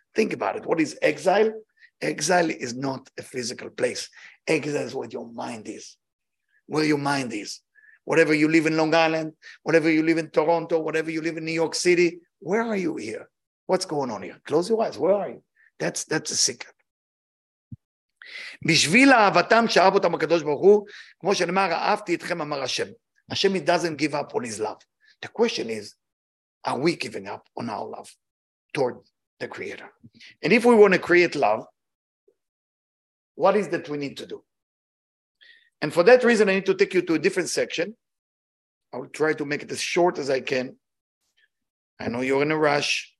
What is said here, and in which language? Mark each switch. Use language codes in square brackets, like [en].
[en] Think about it. What is exile? Exile is not a physical place. Exile is what your mind is. Where your mind is. Whatever you live in Long Island, whatever you live in Toronto, whatever you live in New York City, where are you here? What's going on here? Close your eyes. Where are you? That's a secret. [he] בשביל אהבתם שאהב אותם הקדוש ברוך הוא, כמו שנאמר, אהבתי אתכם, אמר השם. [en] השם, he doesn't give up on his love. The question is, are we giving up on our love toward the creator? And if we want to create love, what is that we need to do? And for that reason, I need to take you to a different section. I will try to make it as short as I can. I know you're in a rush.